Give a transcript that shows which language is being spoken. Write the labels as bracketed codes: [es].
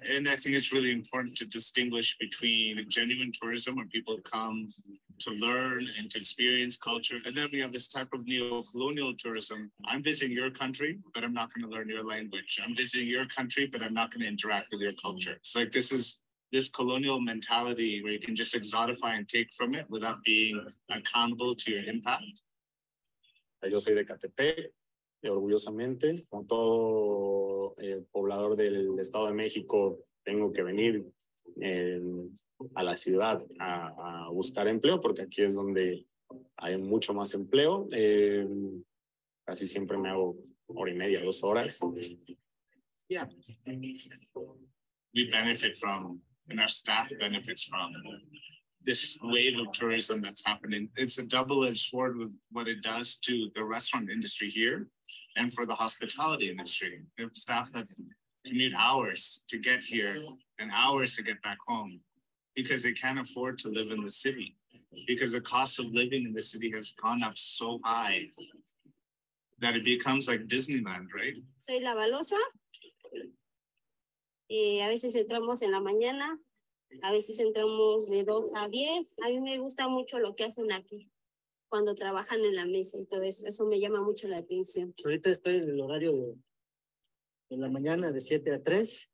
[en] And I think it's really important to distinguish between genuine tourism, where people come to learn and to experience culture, and then we have this type of neo-colonial tourism. I'm visiting your country, but I'm not going to learn your language. I'm visiting your country, but I'm not going to interact with your culture. It's like this colonial mentality where you can just exotify and take from it without being accountable to your impact. [es] Yo soy de Catepec, orgullosamente, como todo poblador del Estado de México, tengo que venir a la ciudad a buscar empleo, porque aquí es donde hay mucho más empleo. Casi siempre me hago hora y media, dos horas. [en] Yeah. We benefit from, and our staff benefits from, this wave of tourism that's happening. It's a double-edged sword with what it does to the restaurant industry here and for the hospitality industry. We have staff that They need hours to get here and hours to get back home because they can't afford to live in the city because the cost of living in the city has gone up so high that it becomes like Disneyland, right? [es] Soy la balosa. A veces entramos en la mañana, a veces entramos de 2 a 10. A mí me gusta mucho lo que hacen aquí, cuando trabajan en la mesa y todo eso. Eso me llama mucho la atención. Ahorita estoy en el horario de la mañana de 7 a 3.